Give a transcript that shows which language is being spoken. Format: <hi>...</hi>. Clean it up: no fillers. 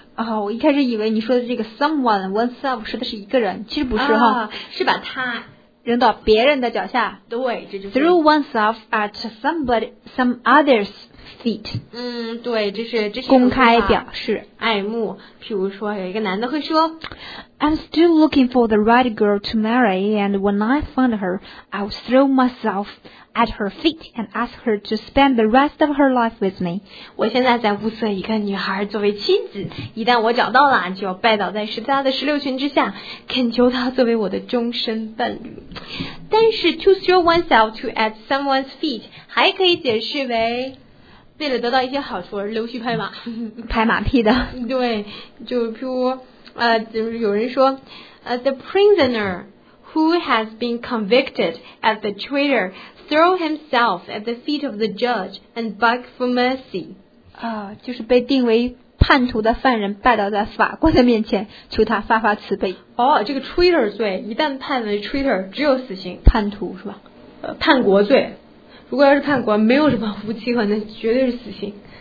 <zh>哦，我一开始以为你说的这个 someone, oneself 说的是一个人，其实不是哈，是把他扔到别人的脚下。对，这就是</zh> <en>throw oneself at some other's feet.</en> <zh>嗯，对，这是公开表示爱慕。譬如说有一个男的会说</zh> <en>I'm still looking for the right girl to marry, and when I find her, I'll throw myself at her feet and ask her to spend the rest of her life with me.</en> <zh>我现在在物色一个女孩作为妻子，一旦我找到了，就要拜倒在她的石榴裙之下，恳求她作为我的终身伴侣。但是</zh> <en>to throw oneself to at someone's feet</en> <zh>还可以解释为为了得到一些好处而溜须拍马，拍马屁的。对，就譬如就是有人说</zh> <en>the prisoner who has been convicted at the traitor throw himself at the feet of the judge and beg for mercy.</en> <zh>就是被定为叛徒的犯人拜倒在法官的面前，求他发发慈悲。哦，这个 traitor 罪一旦判为 traitor， 只有死刑。叛徒是吧？叛国罪。如果要是叛国，没有什么无期徒刑，那绝对是死刑。</zh>